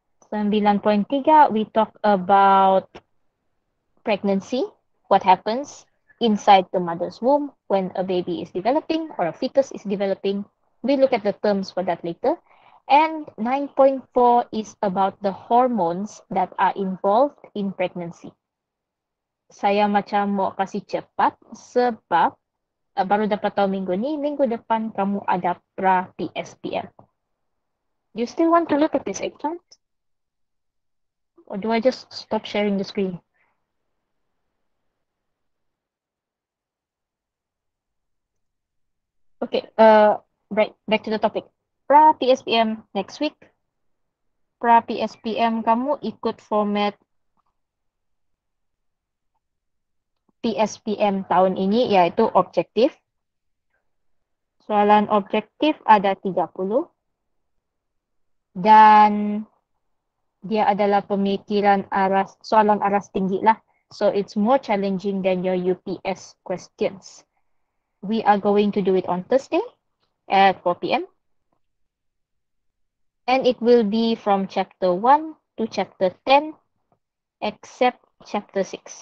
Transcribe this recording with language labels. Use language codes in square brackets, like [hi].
[en] 9.3, we talk about pregnancy, what happens inside the mother's womb when a baby is developing or a fetus is developing. We look at the terms for that later. And 9.4 is about the hormones that are involved in pregnancy. [ms] Saya macam mau kasih cepat sebab baru dapat tahu minggu ni, minggu depan kamu ada pra-PSPL. [en] Do you still want to look at this exam? Or do I just stop sharing the screen? Okay, right, back to the topic. Pra PSPM next week. [ms] Pra PSPM kamu ikut format PSPM tahun ini, yaitu objektif. Soalan objektif ada 30. Dan dia adalah pemikiran aras, soalan aras tinggi lah. [en] So it's more challenging than your UPS questions. We are going to do it on Thursday at 4 p.m. And it will be from chapter 1 to chapter 10, except chapter 6.